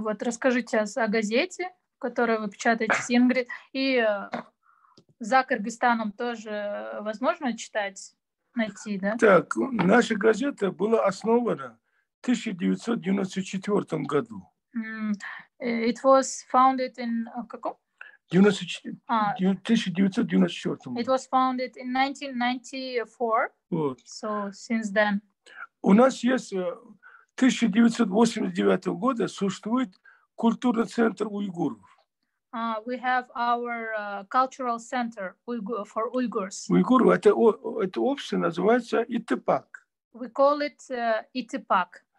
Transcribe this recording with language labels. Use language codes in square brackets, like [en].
[ru] Вот расскажите о газете, которую вы печатаете, Ингрид, и за Кыргызстаном тоже возможно читать, найти, да? Так, наша газета была основана в 1994 году. [en] It was founded in [ru] каком? 1994. [en] It was founded in 1994. Вот. So since then. [ru] У нас есть 1989 года существует культурный центр уйгуров. [en] We have our cultural center for Uyghurs. [ru] Уйгуры, это общество называется ИТПАК. [en] We call it ИТПАК.